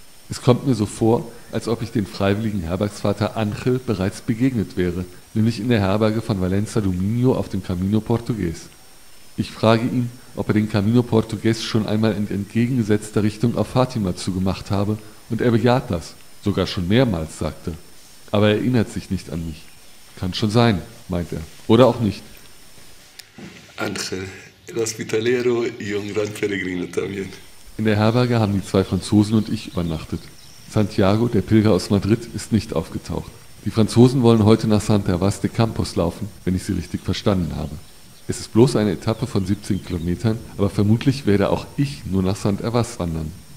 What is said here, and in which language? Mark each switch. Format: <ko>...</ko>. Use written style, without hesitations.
<de>Es kommt mir so vor, als ob ich den freiwilligen Herbergsvater Angel bereits begegnet wäre, nämlich in der Herberge von Valença Duminio auf dem Camino Portugues. Ich frage ihn, ob er den Camino Portugues schon einmal in entgegengesetzter Richtung auf Fatima zugemacht habe, und er bejaht das, sogar schon mehrmals, sagte. Aber er erinnert sich nicht an mich. Kann schon sein, meint er. Oder auch nicht.</de> <es>Angel, el hospitalero y un gran peregrino también.</es> <de>In der Herberge haben die zwei Franzosen und ich übernachtet. Santiago, der Pilger aus Madrid, ist nicht aufgetaucht. Die Franzosen wollen heute nach Santervás de Campos laufen, wenn ich sie richtig verstanden habe. Es ist bloß eine Etappe von 17 Kilometern, aber vermutlich werde auch ich nur nach Santervás wandern.</de>